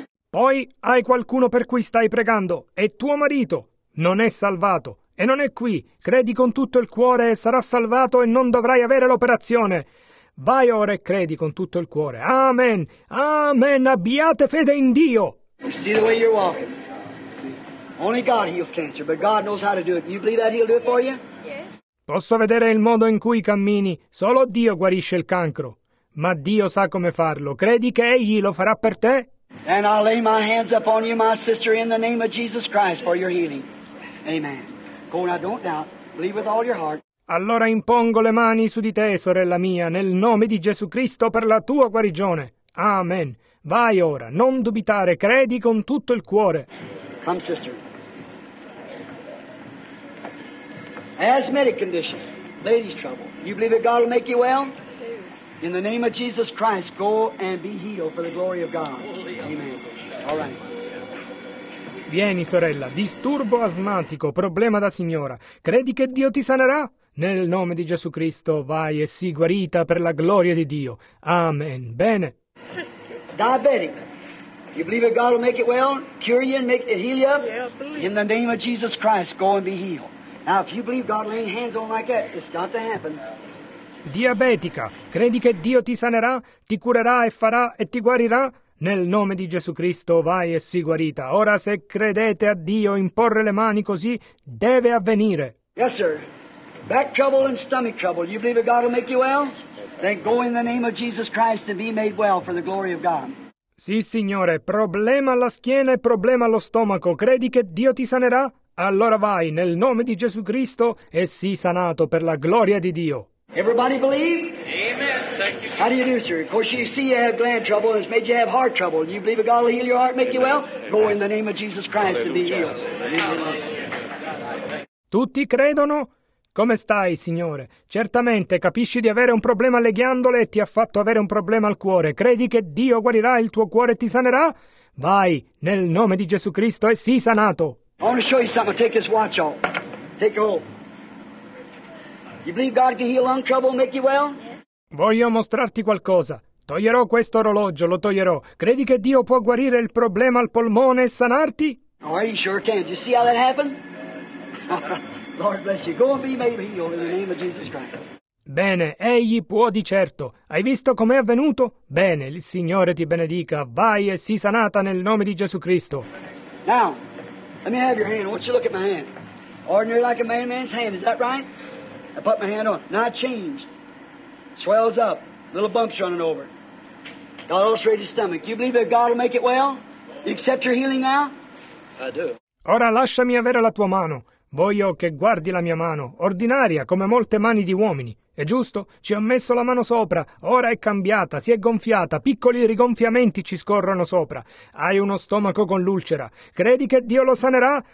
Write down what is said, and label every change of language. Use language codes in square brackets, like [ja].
[it] Poi hai qualcuno per cui stai pregando. È tuo marito. Non è salvato. E non è qui. Credi con tutto il cuore e sarà salvato e non dovrai avere l'operazione. Vai ora e credi con tutto il cuore. Amen. Amen. Abbiate fede in Dio. [en] You see the way you're walking. Only God heals cancer, but God knows how to do it. You believe that he'll do it for you? Yes. [it] Posso vedere il modo in cui cammini. Solo Dio guarisce il cancro. Ma Dio sa come farlo. Credi che Egli lo farà per te? [en] And I'll lay my hands upon you, my sister, in the name of Jesus Christ for your healing. Amen. Go now, don't doubt. Believe with all your heart. [it] Allora impongo le mani su di te, sorella mia, nel nome di Gesù Cristo per la tua guarigione. Amen. Vai ora, non dubitare, credi con tutto il cuore. [en] Come, sister. Asthmatic condition, ladies' trouble. You believe that God will make you well? In the name of Jesus Christ, go and be healed for the glory of God. Amen. All right. [it] Vieni, sorella, disturbo asmatico, problema da signora. Credi che Dio ti sanerà? Nel nome di Gesù Cristo, vai e sii guarita per la gloria di Dio. Amen. Bene. [en] Diabetic. You believe that God will make it well, cure you and make it heal you? Yeah, believe. In the name of Jesus Christ, go and be healed. Now, if you believe God laying hands on like that, it's got to happen. [it] Diabetica. Credi che Dio ti sanerà, ti curerà e farà e ti guarirà? Nel nome di Gesù Cristo, vai e sii guarita. Ora, se credete a Dio, imporre le mani così deve avvenire. [en] Yes, sir. Back trouble and stomach trouble. You believe that God will make you well? Then go in the name of Jesus Christ and be made well for the glory of God. [it] Sì, signore. Problema alla schiena e problema allo stomaco. Credi che Dio ti sanerà? Allora vai nel nome di Gesù Cristo e sii sanato per la gloria di Dio. [en] Everybody believe? Amen. How do you do, sir? Of course, you see you have gland trouble and it's made you have heart trouble. You believe that God will heal your heart and make Amen. You well? Amen. Go in the name of Jesus Christ Amen. And be healed. [it] Tutti credono? Come stai, signore? Certamente capisci di avere un problema alle ghiandole e ti ha fatto avere un problema al cuore. Credi che Dio guarirà il tuo cuore e ti sanerà? Vai, nel nome di Gesù Cristo e sii sanato. [en] I want to show you something. Take this watch off. Take a hold. You believe God can heal lung trouble and make you well? [it] Voglio mostrarti qualcosa. Toglierò questo orologio, lo toglierò. Credi che Dio può guarire il problema al polmone e sanarti? [en] Oh, you sure can. Do you see how that happened? Lord bless you. Go and be made healed in the name of Jesus Christ. [it] Bene, egli può di certo. Hai visto com'è avvenuto? Bene, il Signore ti benedica. Vai e sii sanata nel nome di Gesù Cristo. [en] Now, let me have your hand. I want you to look at my hand. Ordinary like a man's hand, is that right? I put my hand on. Now it changed. Swells up. Little bumps running over. God ulcerated his stomach. You believe that God will make it well? You accept your healing now? I do. [it] Ora lasciami avere la tua mano. Voglio che guardi la mia mano, ordinaria come molte mani di uomini. È giusto? Ci ho messo la mano sopra, ora è cambiata, si è gonfiata, piccoli rigonfiamenti ci scorrono sopra. Hai uno stomaco con l'ulcera. Credi che Dio lo sanerà?